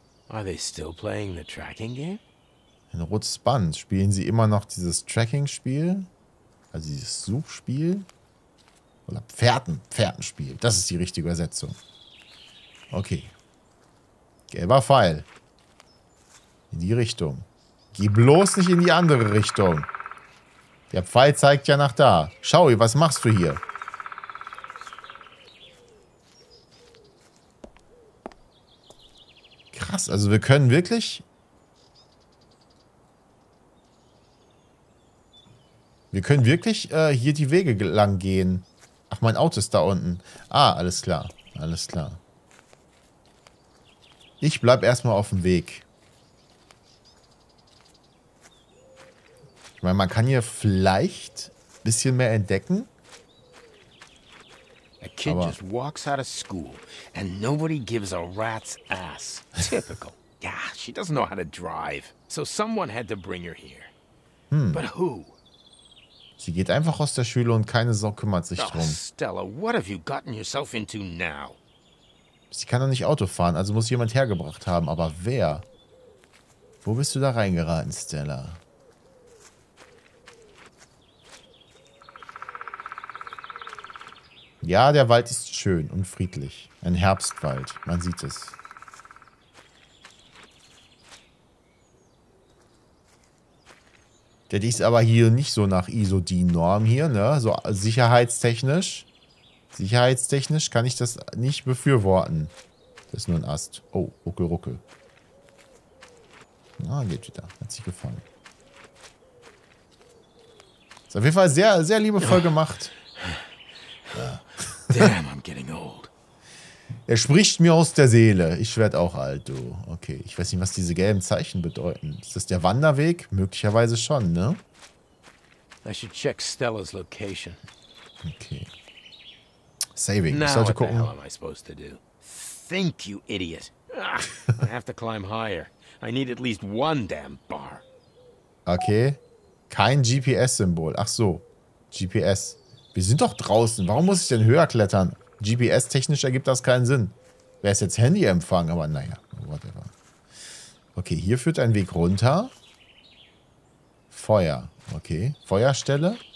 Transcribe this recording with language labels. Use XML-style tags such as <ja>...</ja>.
<en>Are they still playing the tracking game?</en> <de>Ein rotes Band. Spielen sie immer noch dieses Tracking-Spiel? Also dieses Suchspiel? Oder Pferdenspiel. Das ist die richtige Übersetzung. Okay. Gelber Pfeil. In die Richtung. Geh bloß nicht in die andere Richtung. Der Pfeil zeigt ja nach da. Schau, was machst du hier? Krass, also wir können wirklich... Wir können wirklich hier die Wege lang gehen. Ach, mein Auto ist da unten. Ah, alles klar. Alles klar. Ich bleib erstmal auf dem Weg. Ich meine, man kann hier vielleicht ein bisschen mehr entdecken.</de> <en>A kid just walks out of school and nobody gives a rat's ass. Typical. Yeah, she doesn't know how to drive. So someone had to bring her here. But who?</en> <de>Sie geht einfach aus der Schule und keine Sau kümmert sich drum.</de> <en>Oh, Stella, what have you gotten yourself into now?</en> <de>Sie kann doch nicht Auto fahren, also muss jemand hergebracht haben. Aber wer? Wo bist du da reingeraten, Stella? Ja, der Wald ist schön und friedlich. Ein Herbstwald, man sieht es. Der ist aber hier nicht so nach ISO-DIN-Norm hier, ne? So sicherheitstechnisch. Sicherheitstechnisch kann ich das nicht befürworten. Das ist nur ein Ast. Oh, ruckel, ruckel. Ah, geht wieder. Hat sich gefangen. Ist auf jeden Fall sehr, sehr liebevoll gemacht. Ja.</de> <en>Damn, I'm getting old.</en> <de>Er spricht mir aus der Seele. Ich werd auch alt, du. Okay, ich weiß nicht, was diese gelben Zeichen bedeuten. Ist das der Wanderweg? Möglicherweise schon, ne?</de> <en>I should check Stella's location.</en> <de>Okay. Saving. Ich sollte gucken.</de> <en>What the hell am I supposed to do? Think, you idiot. I have to climb higher. I need at least one damn bar. Okay.</en> <de>Kein GPS-Symbol. Ach so. GPS. Wir sind doch draußen. Warum muss ich denn höher klettern? GPS-technisch ergibt das keinen Sinn. Wäre es jetzt Handyempfang, aber naja, whatever. Okay, hier führt ein Weg runter. Feuer, okay. Feuerstelle.</de>